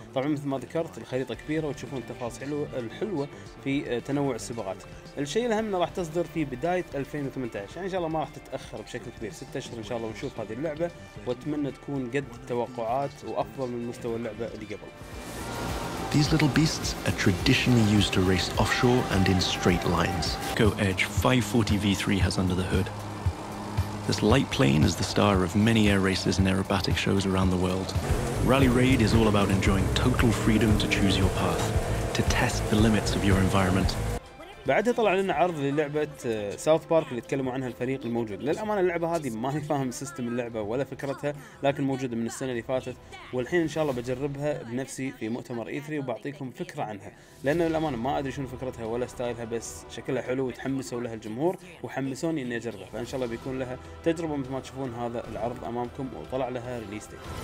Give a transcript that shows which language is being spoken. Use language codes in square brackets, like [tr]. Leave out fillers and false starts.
[ar] طبعا مثل ما ذكرت الخريطه كبيره وتشوفون التفاصيل الحلوه في تنوع السباقات. الشيء الاهم انه راح تصدر في بدايه 2018، يعني ان شاء الله ما راح تتاخر بشكل كبير، 6 اشهر ان شاء الله ونشوف هذه اللعبه، واتمنى تكون قد التوقعات وافضل من مستوى اللعبه اللي قبل. [en] These little beasts are traditionally used to race offshore and in straight lines. Go Edge 540 V3 has under the hood. This light plane is the star of many air races and aerobatic shows around the world. Rally Raid is all about enjoying total freedom to choose your path, to test the limits of your environment, [ar] بعدها طلع لنا عرض للعبة ساوث بارك اللي تكلموا عنها الفريق الموجود. للأمانة اللعبة هذه ما نفهم سيستم اللعبة ولا فكرتها، لكن موجودة من السنة اللي فاتت، والحين إن شاء الله بجربها بنفسي في مؤتمر E3 وبعطيكم فكرة عنها، لأنه للأمانة ما أدري شنو فكرتها ولا ستايلها، بس شكلها حلو وتحمسوا لها الجمهور وحمسوني إني أجربها، فإن شاء الله بيكون لها تجربة مثل ما تشوفون هذا العرض أمامكم وطلع لها ريليس ديت.